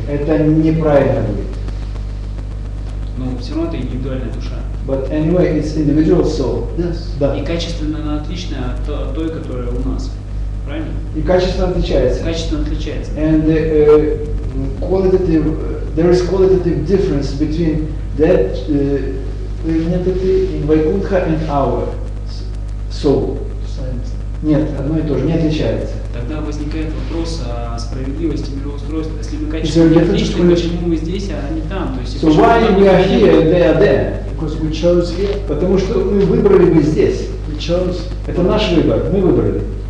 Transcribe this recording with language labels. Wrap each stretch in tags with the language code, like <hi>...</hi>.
<ru>Это неправильно будет. Но все равно это индивидуальная душа.</ru> <en>But anyway, it's individual soul. Yes.</en> <ru>Да. И качественно она отличная от той, которая у нас. Правильно? И качественно отличается. Качественно отличается.</ru> <en>And there is qualitative difference between that entity in Vaikuntha and our soul. Science.</en> <ru>Нет, одно и то же, не отличается. Тогда возникает вопрос о справедливости мироустройства. Если мы качественно отличны, почему мы здесь, а не там? То есть,</ru> <en>so why</en> <ru>мы</ru> <en>are here and they are there? Because we chose here.</en> <ru>Потому что мы выбрали бы здесь.</ru> <en>We chose.</en> <ru>Это наш выбор, мы выбрали.</ru>